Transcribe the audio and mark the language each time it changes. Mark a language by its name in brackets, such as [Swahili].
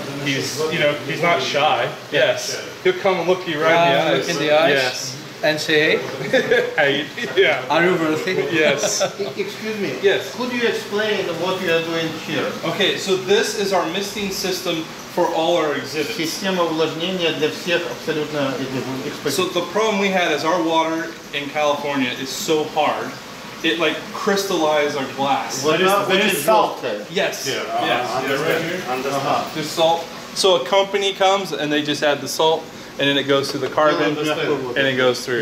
[English] He's not shy. Yes. He'll come and look you right in the eyes. Look in the eyes. Yes. And say, hey. Hey. Yeah. Are you worthy? Yes. Excuse me. Yes. Could you explain what you are doing here? Okay, so this is our misting system for all our exhibits. [Russian] Система увлажнения для всех абсолютно экспозиций. [English] So the problem we had is our water in California is so hard. It like crystallized our glass. Which is salt. Yes. Yeah. Yes. Yeah, right here. There's salt. So a company comes and they just add the salt and then it goes through the carbon and it goes through.